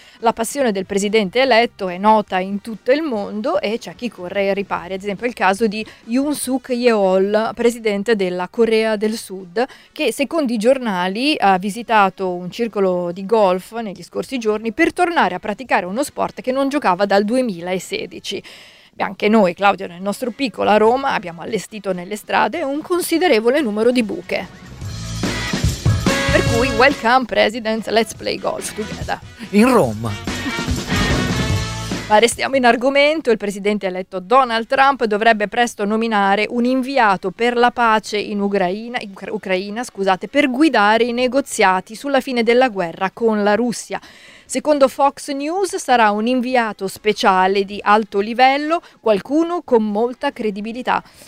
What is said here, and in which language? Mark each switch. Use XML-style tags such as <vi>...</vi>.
<it>La passione del presidente eletto è nota in tutto il mondo e c'è chi corre ai ripari, ad esempio il caso di Yoon Suk Yeol, presidente della Corea del Sud, che secondo i giornali ha visitato un circolo di golf negli scorsi giorni per tornare a praticare uno sport che non giocava dal 2016. Anche noi, Claudio, nel nostro piccolo a Roma abbiamo allestito nelle strade un considerevole numero di buche. Per cui,</it> <en>welcome President, let's play golf together.</en> <it>In Roma. Ma restiamo in argomento, il presidente eletto Donald Trump dovrebbe presto nominare un inviato per la pace in Ucraina, per guidare i negoziati sulla fine della guerra con la Russia. Secondo Fox News sarà un inviato speciale di alto livello, qualcuno con molta credibilità.</it>